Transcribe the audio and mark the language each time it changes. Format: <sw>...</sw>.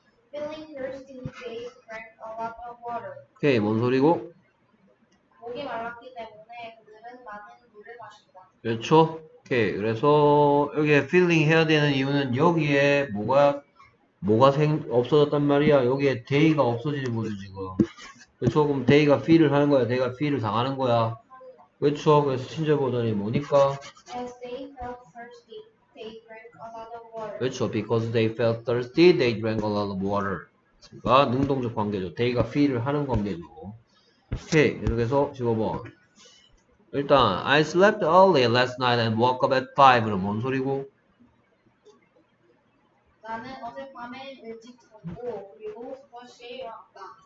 <en>feeling thirsty, they drank a lot of water.</en> <ko>오케이, 뭔 소리고? 목이 말랐기 때문에 그들은 많은 물을 마셨다. 그렇죠. 오케이, 그래서 여기에 feeling 해야 되는 이유는 여기에 뭐가 뭐가 없어졌단 말이야. 여기에 데이가 없어지는 거지, 지금. 그쵸? 그럼 데이가 필을 하는 거야. 데이가 필을 당하는 거야. 그쵸? 그래서 친절 버전이 뭐니까?</ko> <en>As they felt thirsty, they drank a lot of water.</en> <ko>그쵸?</ko> <en>Because they felt thirsty, they drank a lot of water.</en> <ko>가 능동적 관계죠. 데이가 필을 하는 관계죠. 오케이. 계속해서 15번. 일단,</ko> <en>I slept early last night and woke up at 5는</en> <ko>뭔 소리고? 나는 어젯밤에 일찍 잤고 그리고 5시에 일어났다.</ko>